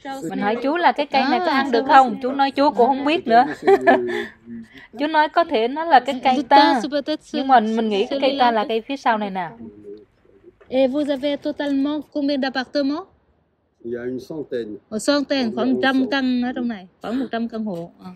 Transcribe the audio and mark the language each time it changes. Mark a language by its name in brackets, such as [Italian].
[Vietnamese] Mình hỏi chú là cái cây này có ăn được không? Chú nói chú cũng không biết nữa. Chú nói có thể nó là cái cây ta. Nhưng mà mình nghĩ cái cây ta là cây phía sau này nè. [French] Et vous avez totalement combien d'appartements? Il y a une centaine. Une centaine, [Vietnamese] khoảng 100 căn ở trong này, khoảng 100 căn hộ.